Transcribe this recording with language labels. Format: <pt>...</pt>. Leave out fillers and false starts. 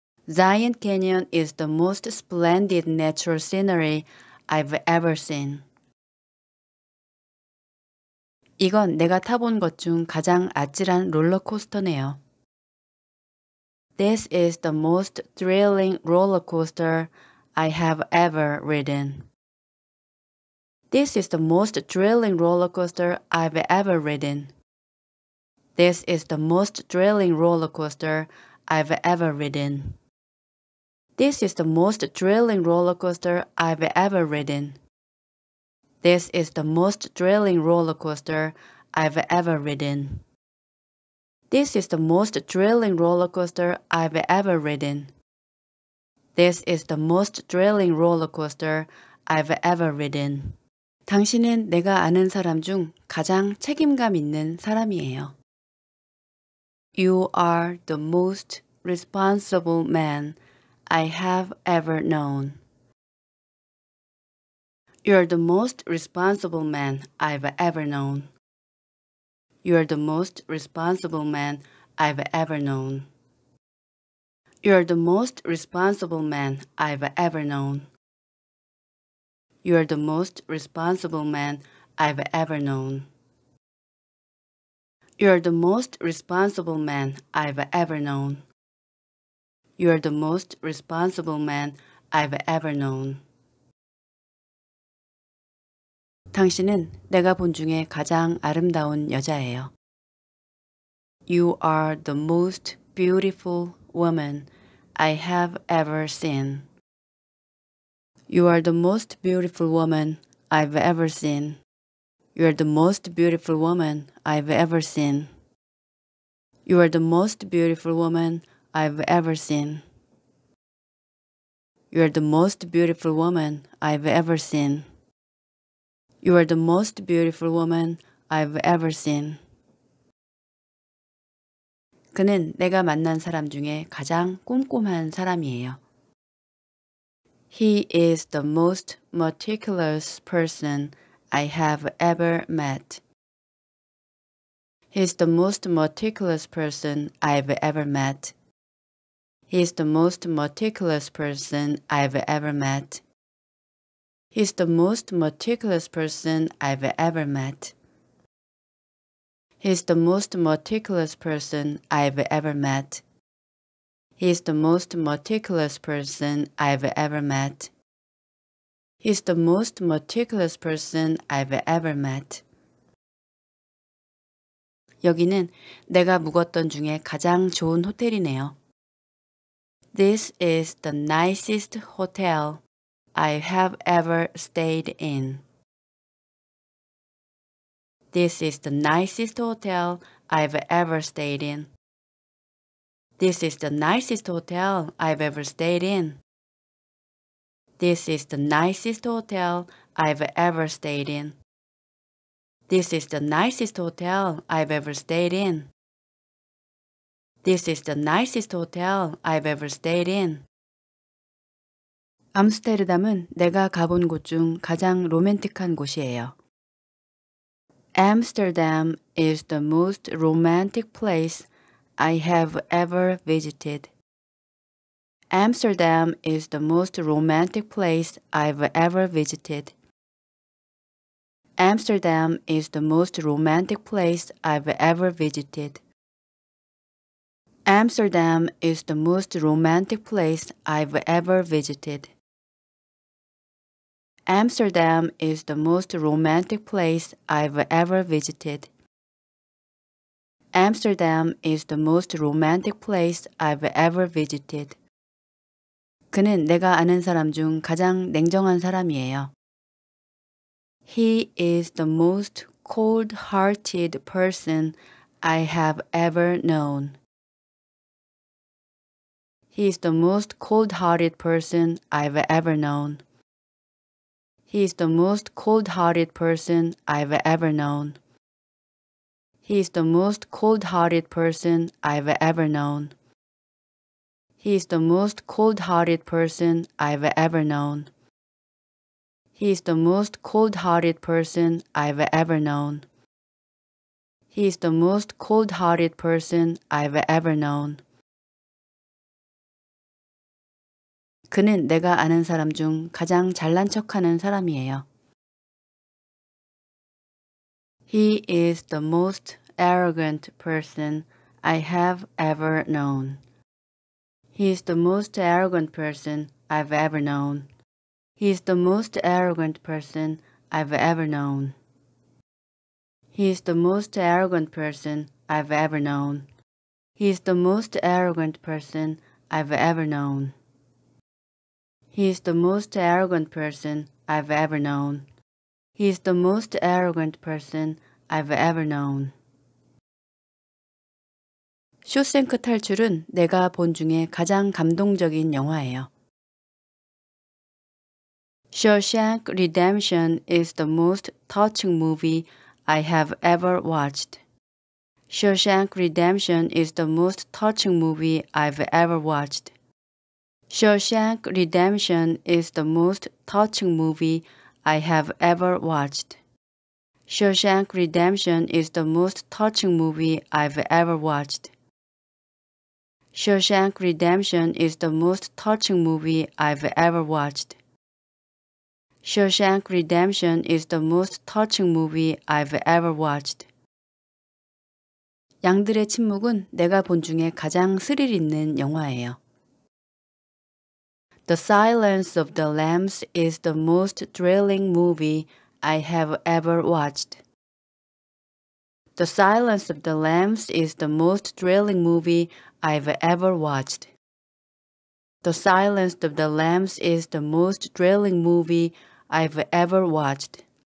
<en>Zion Canyon is the most splendid natural scenery I've ever seen.</en> <ko>이건 내가 타본 것 중 가장 아찔한 롤러코스터네요.</ko> <en>This is the most thrilling roller coaster I have ever ridden. This is the most thrilling roller coaster I've ever ridden. This is the most thrilling roller coaster I've ever ridden. This is the most thrilling roller coaster I've ever ridden. This is the most thrilling roller coaster I've ever ridden. This is the most thrilling roller coaster I've ever ridden. This is the most thrilling roller coaster I've ever ridden.</en> <ko>당신은 내가 아는 사람 중 가장 책임감 있는 사람이에요.</ko> <en>You are the most responsible man I have ever known. You're the most responsible man I've ever known. You're the most responsible man I've ever known. You're the most responsible man I've ever known. You're the most responsible man I've ever known. You're the most responsible man I've ever known. You're the most responsible man I've ever known.</en> <ko>당신은 내가 본 중에 가장 아름다운 여자예요.</ko> <en>You are the most beautiful woman I have ever seen. You are the most beautiful woman I've ever seen. You are the most beautiful woman I've ever seen. You are the most beautiful woman I've ever seen. You are the most beautiful woman I've ever seen. You are the most beautiful woman I've ever seen.</en> <ko>그는 내가 만난 사람 중에 가장 꼼꼼한 사람이에요.</ko> <en>He is the most meticulous person I have ever met. He is the most meticulous person I've ever met. He is the most meticulous person I've ever met. He is the most meticulous person I've ever met. He is the most meticulous person I've ever met. He is the most meticulous person I've ever met. He is the most meticulous person I've ever met.</en> <ko>여기는 내가 묵었던 중에 가장 좋은 호텔이네요.</ko> <en>This is the nicest hotel I have ever stayed in. This is the nicest hotel I've ever stayed in. This is the nicest hotel I've ever stayed in. This is the nicest hotel I've ever stayed in. This is the nicest hotel I've ever stayed in. This is the nicest hotel I've ever stayed in.</en> <ko>암스테르담은 내가 가본 곳 중 가장 로맨틱한 곳이에요.</ko> <en>Amsterdam is the most romantic place I have ever visited. Amsterdam is the most romantic place I've ever visited. Amsterdam is the most romantic place I've ever visited. Amsterdam is the most romantic place I've ever visited. Amsterdam is the most romantic place I've ever visited. Amsterdam is the most romantic place I've ever visited.</en> <ko>그는 내가 아는 사람 중 가장 냉정한 사람이에요.</ko> <en>He is the most cold-hearted person I have ever known. He is the most cold-hearted person I've ever known. He is the most cold-hearted person I've ever known. He is the most cold-hearted person I've ever known. He is the most cold-hearted person I've ever known. He is the most cold-hearted person I've ever known. He is the most cold-hearted person I've ever known.</en> <ko>그는 내가 아는 사람 중 가장 잘난 척하는 사람이에요.</ko> <en>He is the most arrogant person I have ever known. He is the most arrogant person I've ever known. He is the most arrogant person I've ever known. He is the most arrogant person I've ever known. He is the most arrogant person I've ever known. He is the most arrogant person I've ever known. He is the most arrogant person I've ever known.</en> <ko>쇼생크 탈출은 내가 본 중에 가장 감동적인 영화예요.</ko> <en>Shawshank Redemption is the most touching movie I have ever watched. Shawshank Redemption is the most touching movie I've ever watched. Shawshank Redemption is the most touching movie I have ever watched. Shawshank Redemption is the most touching movie I've ever watched. Shawshank Redemption is the most touching movie I've ever watched. Shawshank Redemption is the most touching movie I've ever watched.</en> <ko>양들의 침묵은 내가 본 중에 가장 스릴 있는 영화예요.</ko> <en>The Silence of the Lambs is the most thrilling movie I have ever watched. The Silence of the Lambs is the most thrilling movie I've ever watched. The Silence of the Lambs is the most thrilling movie I've ever watched.</en>